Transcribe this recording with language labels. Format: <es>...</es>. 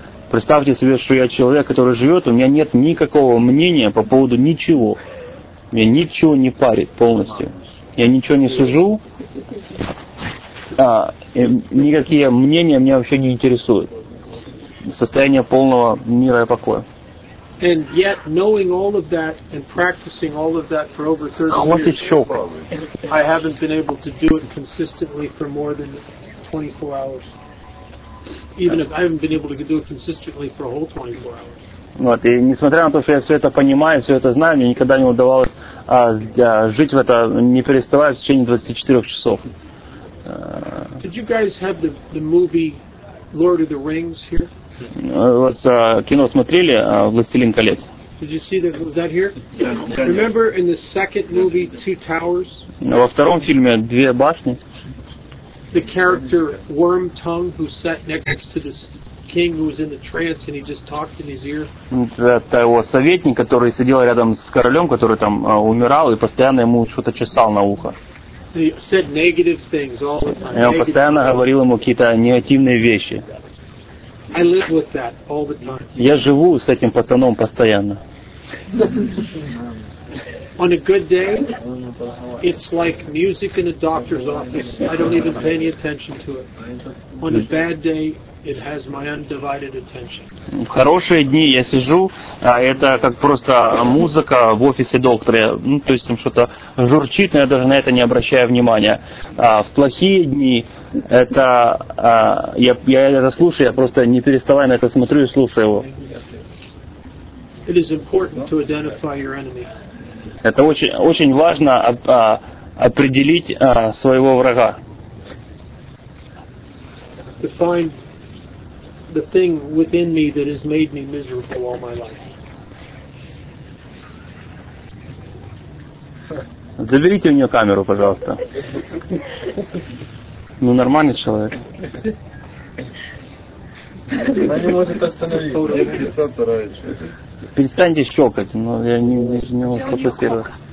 <ru>Представьте себе, что я человек, который живет, у меня нет никакого мнения по поводу ничего. Меня ничего не парит полностью. Я ничего не сужу. Никакие мнения меня вообще не интересуют. Состояние полного мира и покоя.</ru> <en>And yet, knowing all of that and practicing all of that for over 30</en> <ru>Хватит</ru> <en>years,</en> <ru>щек.</ru> <en>I haven't been able to do it consistently for more than 24 hours. Even if I haven't been able to do it consistently for a whole 24 hours.</en> <ru>Вот, и несмотря на то, что я все это понимаю, все это знаю, мне никогда не удавалось жить в это, не переставая в течение 24 часов.</ru> <en>Did you guys have the movie Lord of the Rings here?</en> <ru>Вас кино смотрели, Властелин колец?</ru> <en>Did you see that? Was that here? Remember in the second movie, Two Towers?</en> <ru>Во втором фильме две башни.</ru> <en>The character Wormtongue, who sat next to the king, who was in the trance, and he just talked in his ear.</en> <ru>Это его советник, который сидел рядом с королем, который там умирал и постоянно ему что-то чесал на ухо.</ru> <en>He said negative things all the time.</en> <ru>И он постоянно говорил ему какие-то негативные вещи.</ru> <en>I live with that all the time.</en> <ru>Я живу с этим пацаном постоянно.</ru> <en>On a good day, it's like music in a doctor's office. I don't even pay any attention to it. On a bad day, it has my undivided attention.</en> <ru>В хорошие дни я сижу, а это как просто музыка в офисе доктора. Ну, то есть там что-то журчит, но я даже на это не обращаю внимания. А в плохие дни это я это слушаю, я просто не переставая на это смотрю и слушаю его.</ru> <en>It is important to identify your enemy.</en> <ru>Это очень очень важно определить своего врага.</ru> <en>To find the thing within me that has made me miserable all my life.</en> <ru>Заберите у нее камеру, пожалуйста. Ну, нормальный человек. Она не может остановиться. Перестаньте щелкать, но я не могу сфокусировать.</ru>